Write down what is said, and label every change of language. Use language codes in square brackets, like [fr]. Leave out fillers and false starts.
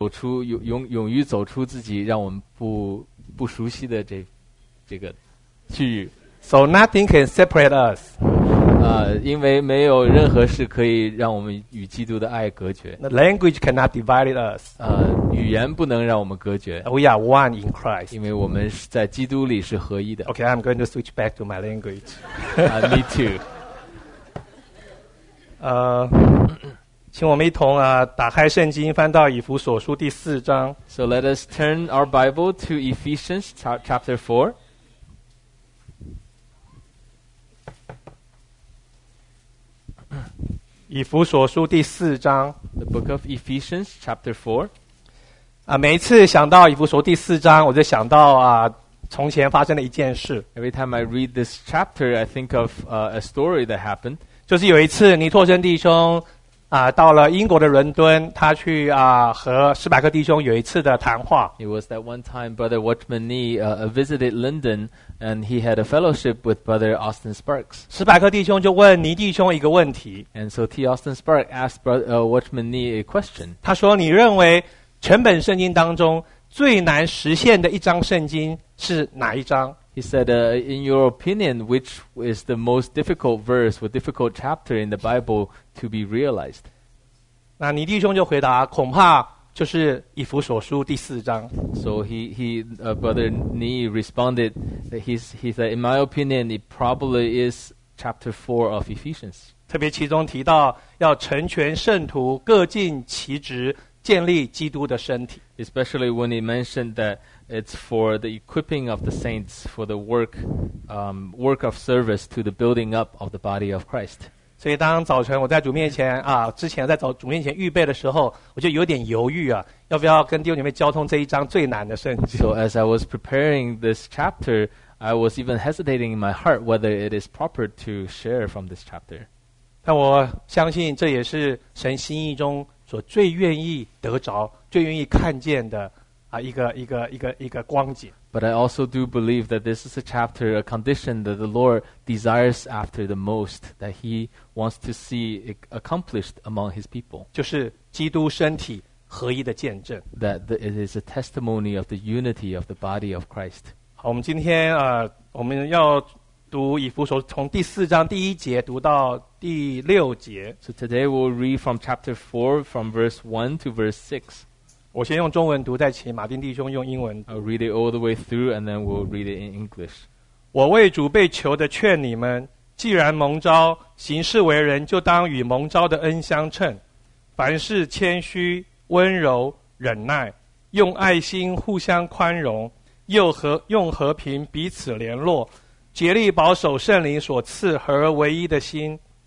[zh] 走出勇于走出自己让我们不熟悉的这个区域。 [en] So nothing can separate us. [zh] 因为没有任何事可以让我们与基督的爱隔绝。 [en] The language cannot divide us. [zh] 语言不能让我们隔绝。 [en] We are one in Christ. [zh] 因为我们是在基督里是合一的。 [en] Okay, I'm going to switch back to my language. Me too. [zh] 请我们一同打开圣经，翻到以弗所书第四章。 [en] So let us turn our Bible to Ephesians chapter 4. [zh] 以弗所书第四章 [en] The book of Ephesians chapter 4 [zh] 每一次想到以弗所第四章我就想到从前发生的一件事 [en] Every time I read this chapter I think of a story that happened [zh] 就是有一次尼托森弟兄到了英国的伦敦他去和斯柏克弟兄有一次的谈话 [en] It was that one time Brother Watchman Nee visited London And he had a fellowship with Brother Austin Sparks [zh] 斯柏克弟兄就问尼弟兄一个问题 [en] And so T. Austin Sparks asked Watchman Nee a question [zh] 他说你认为全本圣经当中最难实现的一章圣经是哪一章 [en] He said, in your opinion, which is the most difficult verse or difficult chapter in the Bible to be realized? [zh] 那尼弟兄就回答，恐怕就是以弗所书第四章。 [en] So Brother Nee responded that he said, in my opinion, it probably is chapter 4 of Ephesians. [zh] 特别其中提到要成全圣徒，各尽其职，建立基督的身体。 [en] Especially when he mentioned that it's for the equipping of the saints for the work of service to the building up of the body of Christ. [zh] 所以当早晨我在主面前之前在主面前预备的时候，我就有点犹豫要不要跟弟兄姐妹交通这一章最难的圣经。 [en] So as I was preparing this chapter, I was even hesitating in my heart whether it is proper to share from this chapter. [zh] 但我相信这也是神心意中所最愿意得着、最愿意看见的一个光景。 [en] But I also do believe that this is a chapter, a condition that the Lord desires after the most, that He wants to see it accomplished among His people. [zh] 就是基督身体合一的见证。 [en] That it is a testimony of the unity of the body of Christ. [zh] 好，我们今天我们要读以弗所从第四章第一节读到第六节。 [en] So today we'll read from chapter 4 from verse 1 to verse 6. [zh] 我先用中文读，再请马丁弟兄用英文读。 [en] I'll read it all the way through, and then we'll read it in English. [zh] 我为主被囚的劝你们，既然蒙召，行事为人就当与蒙召的恩相称。凡事谦虚、温柔、忍耐，用爱心互相宽容，又和用和平彼此联络，竭力保守圣灵所赐合而为一的心。